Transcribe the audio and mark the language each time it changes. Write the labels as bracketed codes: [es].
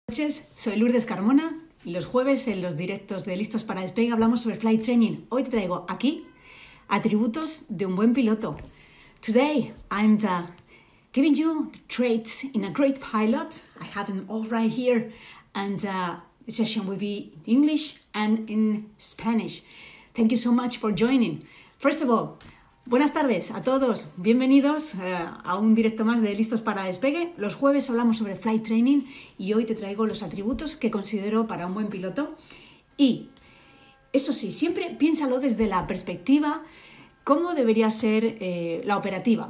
[es] Buenas noches, soy Lourdes Carmona y los jueves en los directos de Listos para Despegue hablamos sobre flight training. Hoy te traigo aquí atributos de un buen piloto. [en] Today I'm giving you the traits in a great pilot. I have them all right here and the session will be in English and in Spanish. Thank you so much for joining. First of all, [es] buenas tardes a todos, bienvenidos a un directo más de Listos para Despegue. Los jueves hablamos sobre flight training y hoy te traigo los atributos que considero para un buen piloto. Y eso sí, siempre piénsalo desde la perspectiva cómo debería ser la operativa.